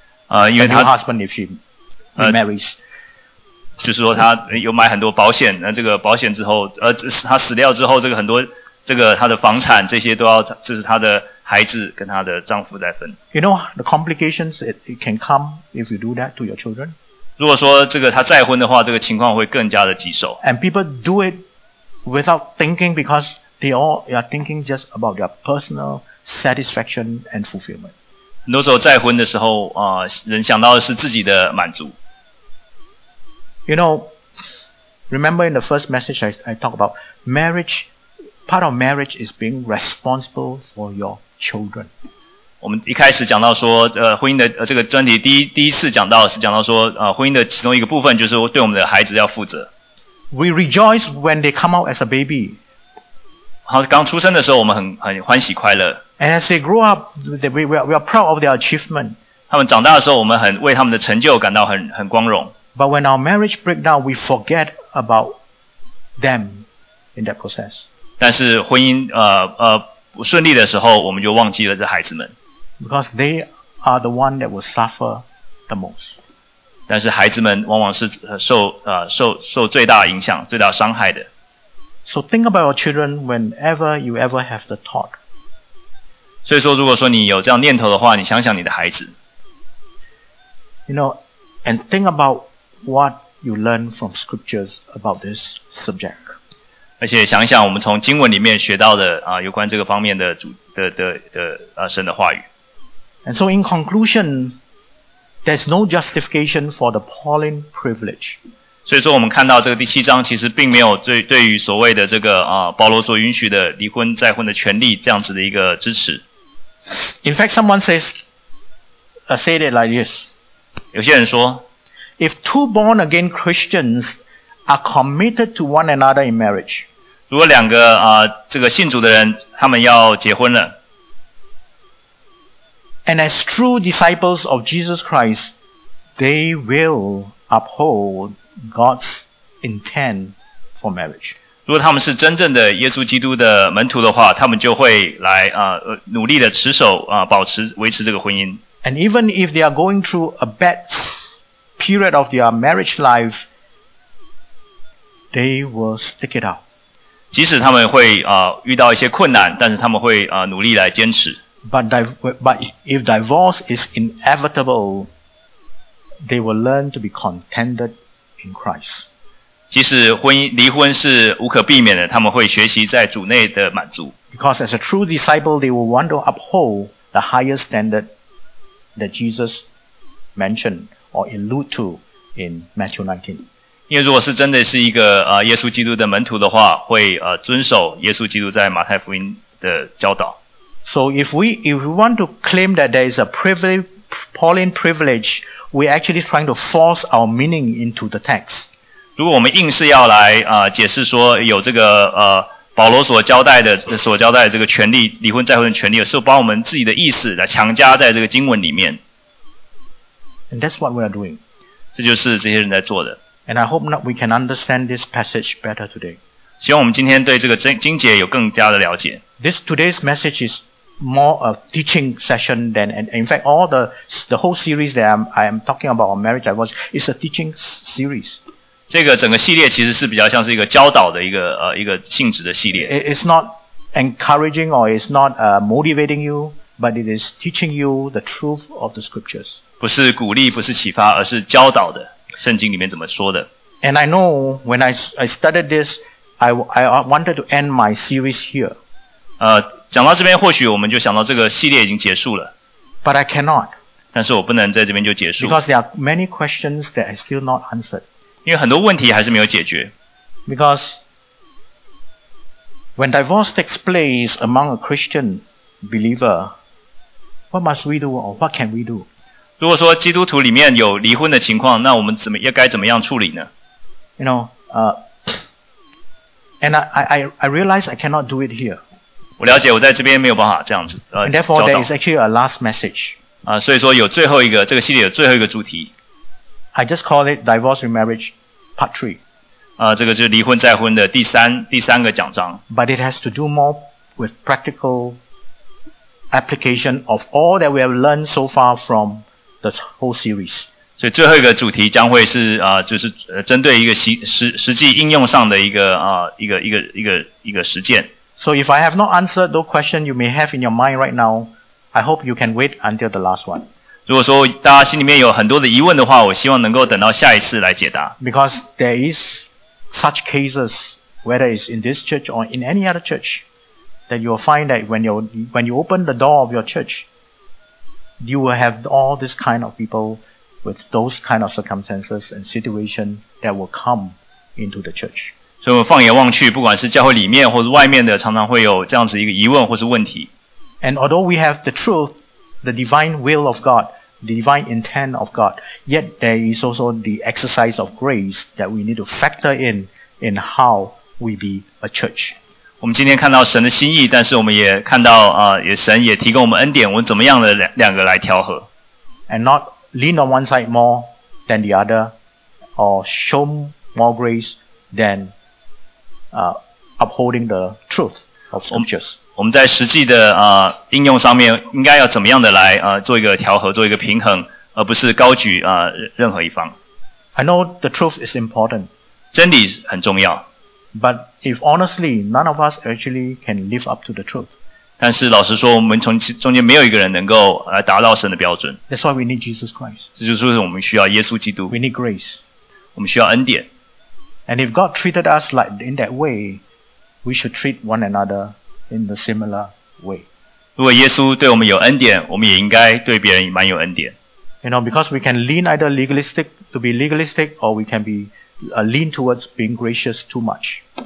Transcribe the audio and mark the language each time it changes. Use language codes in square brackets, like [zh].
[en] The new husband if she marries. [zh] 就是说他有买很多保险，那这个保险之后，他死掉之后，这个很多这个他的房产这些都要，这是他的孩子跟他的丈夫在分。 [en] You know the complications it can come if you do that to your children. [zh] 如果说这个他再婚的话，这个情况会更加的棘手。 [en] And people do it without thinking because they all are thinking just about their personal satisfaction and fulfillment. [zh] 很多时候再婚的时候啊，人想到的是自己的满足。 [en] You know, remember in the first message I talked about marriage, part of marriage is being responsible for your children. [zh] 我们一开始讲到说婚姻的这个专题第一次讲到是讲到说婚姻的其中一个部分就是对我们的孩子要负责。 [en] We rejoice when they come out as a baby. [zh] 好，刚出生的时候我们很欢喜快乐。 [en] And as they grow up, we are proud of their achievement. [zh] 他们长大的时候我们很为他们的成就感到很光荣。 [en] But when our marriage breaks down, we forget about them in that process. [zh] 但是婚姻不顺利的时候，我们就忘记了这孩子们。 [en] Because they are the one that will suffer the most. [zh] 但是孩子们往往是受最大影响、最大伤害的。 [en] So think about your children whenever you ever have the thought. [zh] 所以说，如果说你有这样念头的话，你想想你的孩子。 [en] You know, and think aboutWhat you learn from scriptures about this subject. [zh] 而且想一想我们从经文里面学到的有关这个方面的主的神的话语。 [en] And so in conclusion, there's no justification for the Pauline privilege. [zh] 所以说我们看到这个第七章其实并没有对于所谓的这个保罗所允许的离婚再婚的权利这样子的一个支持。 [en] In fact, someone says, say it like this. [zh] 有些人说 [en] If two born again Christians are committed to one another in marriage, [zh] 如果两个这个信主的人他们要结婚了 [en] ，and as true disciples of Jesus Christ, they will uphold God's intent for marriage. [zh] 如果他们是真正的耶稣基督的门徒的话，他们就会来努力的持守保持维持这个婚姻。 [en] And even if they are going through a bad period of their marriage life, they will stick it out. [zh] 即使他们会遇到一些困难，但是他们会努力来坚持。 [en] But if divorce is inevitable, they will learn to be contented in Christ. [zh] 即使离婚是无可避免的，他们会学习在主内的满足。 [en] Because as a true disciple, they will want to uphold the highest standard that Jesus mentioned. Or allude to in Matthew 19. [zh] 因为如果是真的是一个耶稣基督的门徒的话，会遵守耶稣基督在马太福音的教导。 [en] So if we want to claim that there is a Pauline privilege, we're actually trying to force our meaning into the text. [zh] 如果我们硬是要来解释说有这个保罗所交代的这个权利，离婚再婚的权利，是把我们自己的意思来强加在这个经文里面。 [en] And that's what we are doing. [zh] 这就是这些人在做的。 [en] And I hope that we can understand this passage better today. [zh] 希望我们今天对这个经节有更加的了解。 [en] This today's message is more a teaching session than, and in fact, all the whole series that I am talking about on marriage divorce is a teaching series. [zh] 这个整个系列其实是比较像是一个教导的一个性质的系列。 [en] It's not encouraging or it's not motivating you, but it is teaching you the truth of the scriptures. [zh] 不是鼓励，不是启发，而是教导的。圣经里面怎么说的 [en] ？And I know when I studied this, I wanted to end my series here. [zh] 讲到这边，或许我们就想到这个系列已经结束了。 [en] But I cannot. [zh] 但是我不能在这边就结束。 [en] Because there are many questions that are still not answered. 因为很多问题还是没有解决。 Because when divorce takes place among a Christian believer, what must we do or what can we do? [zh] 如果说基督徒里面有离婚的情况，那我们该怎么样处理呢？ [en] You know, And I realize I cannot do it here. [zh] 我了解我在这边没有办法这样子。 [en] And therefore, there is actually a last message. [zh] 所以说有最后一个这个系列有最后一个主题。 [en] I just call it divorce remarriage part three. [zh] 这个就是离婚再婚的第三个讲章。 [en] But it has to do more with practical application of all that we have learned so far from the whole series. [zh] 所以最后一个主题将会是就是针对一个实际应用上的一个实践。 [en] So if I have not answered those questions you may have in your mind right now, I hope you can wait until the last one. [zh] 如果说大家心里面有很多的疑问的话，我希望能够等到下一次来解答。 [en] Because there is such cases, whether it's in this church or in any other church, that you will find that when you open the door of your church, you will have all this kind of people. With those kind of circumstances and situation that will come into the church. [zh] 所以我们放眼望去，不管是教会里面或是外面的，常常会有这样子一个疑问或是问题。 [en] And although we have the truth, the divine will of God, the divine intent of God, yet there is also the exercise of grace that we need to factor in how we be a church. [zh] 我们今天看到神的心意，但是我们也看到神也提供我们恩典，我们怎么样的两个来调和 [en] ？And not. Lean on one side more than the other, or show more grace than upholding the truth of scriptures. [zh] 我们在实际的应用上面应该要怎么样的来做一个调和，做一个平衡，而不是高举任何一方。 [en] I know the truth is important. [zh] 真理很重要。 [en] But if honestly, none of us actually can live up to the truth. [zh] 但是老实说我们中间没有一个人能够来达到神的标准。 [en] That's why we need Jesus Christ. [zh] 这就是我们需要耶稣基督。 [en] We need grace. [zh] 我们需要恩典。 [en] And if God treated us like in that way, we should treat one another in the similar way. [zh] 如果耶稣对我们有恩典我们也应该对别人蛮有恩典。 [en] You know, because we can lean either legalistic, to be legalistic, or we can be, lean towards being gracious too much.